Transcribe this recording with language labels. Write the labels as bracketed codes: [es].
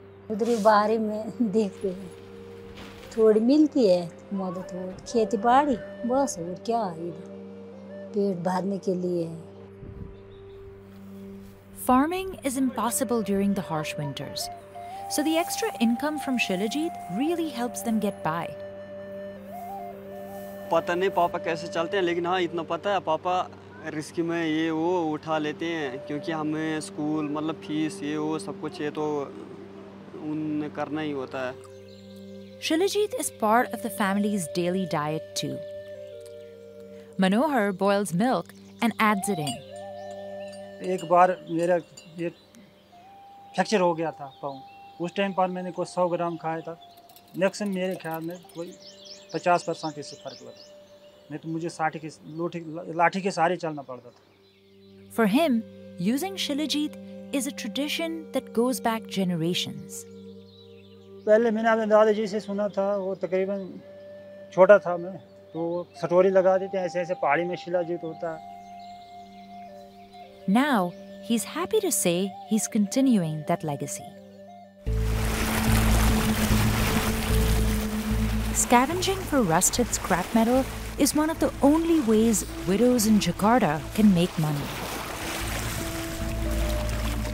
[hi] उधर बारी में देखते हैं थोड़ी मिलती है मदद वो खेती बाड़ी बस और क्या इधर पेट भरने के लिए. [en] Farming is impossible during the harsh winters, so the extra income from shilajit really helps them get by. [hi] पता नहीं पापा कैसे चलते हैं लेकिन हाँ इतना पता है पापा रिस्क में ये वो उठा लेते हैं क्योंकि हमें स्कूल मतलब फीस ये वो सब कुछ है तो उन्हें करना ही होता है. [en] Shilajit is part of the family's daily diet too. Manohar boils milk and adds it in. [hi] एक बार मेरा ये फ्रैक्चर हो गया था पाँव. उस टाइम पर मैंने कुछ 100 ग्राम खाया था. नेक्स्ट मेरे ख्याल में कोई 50% इससे फर्क लगा. [en] For him, using shilajit is a tradition that goes back generations. [hi] पहले मैंने अपने दादाजी से सुना था. वो तकरीबन छोटा था मैं तो सटोरी लगा देते हैं ऐसे-ऐसे पहाड़ी में शिलाजीत होता है. [en] Now he's happy to say he's continuing that legacy. Scavenging for rusted scrap metal is one of the only ways widows in Jakarta can make money.